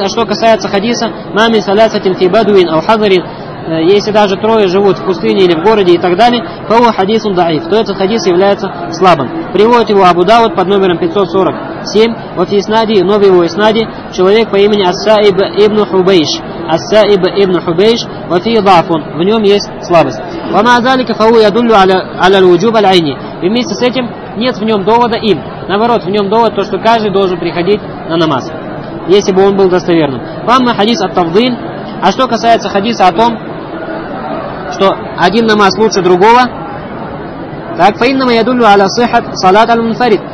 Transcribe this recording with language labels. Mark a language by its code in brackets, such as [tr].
[ru] А что касается хадиса, [ar] مَا مِنْ ثَلَاثَةٍ فِي بَدْوٍ أَوْ حَضَرٍ, [ru] если даже трое живут в пустыне или в городе и так далее, [ar] فَهُوَ حَدِيثٌ ضَعِيفٌ, [ru] то этот хадис является слабым. Приводит его Абу Дауд под номером 547, в Афиснаде, но в его иснаде человек по имени Ас-Саиб ибн Хубейш. Ас-Саиб ибн Хубейш, [ar] وفي ضعف, [ru] в нем есть слабость. [ar] وما ذلك فهو يدل على الوجوب العيني. [ru] И вместе с этим нет в нем довода им. Наоборот, в нем довод то, что каждый должен приходить на намаз, если бы он был достоверным. Вам хадис ат-тафдил. А что касается хадиса о том, что один намаз лучше другого, так [ar] فإنما يدل على صحة صلاة المنفرد.